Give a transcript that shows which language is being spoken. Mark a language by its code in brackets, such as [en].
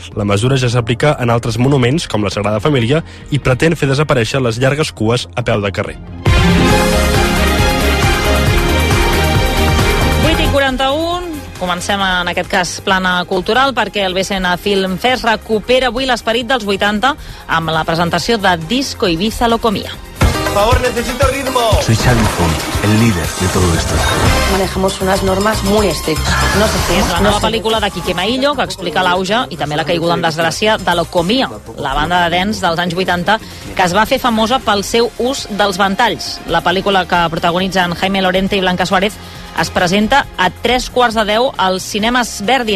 [ca] La mesura ja s'aplica en altres monuments, com la Sagrada Família, i pretén fer desaparèixer les llargues cues a peu de carrer. 8:41. Comencem en aquest cas plana cultural perquè el BSN Film Fest recupera avui l'esperit dels 80 amb la presentació de Disco Ibiza Locomía. [es] Por favor, necesito ritmo. Soy Xavi Font, el líder de todo esto. Manejamos unas normas muy estrictas. No sé qué. [ca] És la nova pel·lícula de Quique Maillo, que explica l'auge i també la caiguda en desgràcia de Locomía, la banda de dance dels anys 80, que es va fer famosa pel seu ús dels ventalls. La pel·lícula que protagonitzen Jaime Lorente i Blanca Suárez es presenta a 9:45 als Cinemes Verdi.